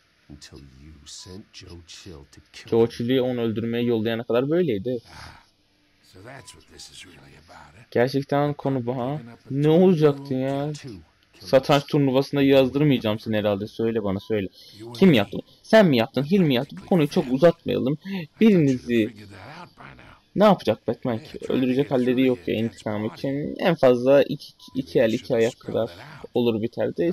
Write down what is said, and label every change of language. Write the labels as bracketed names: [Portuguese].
[English] Until you sent Joe Chill to kill. [Turkish] Joe Chill'i onu öldürmeye yollayana kadar böyleydi. [English] So that's what this is really about. [Turkish] Gerçekten konu bu ha. Ne olacaktı ya? Satranç turnuvasında yazdırmayacağım seni herhalde. Söyle bana söyle. Kim yaptı? Sen mi yaptın? Hill mi yaptı? Bu konuyu çok uzatmayalım. Birinizi ne yapacak Batman ki? Öldürecek halleri yok ya intikam için. En fazla iki el iki ayak kadar olur biter de.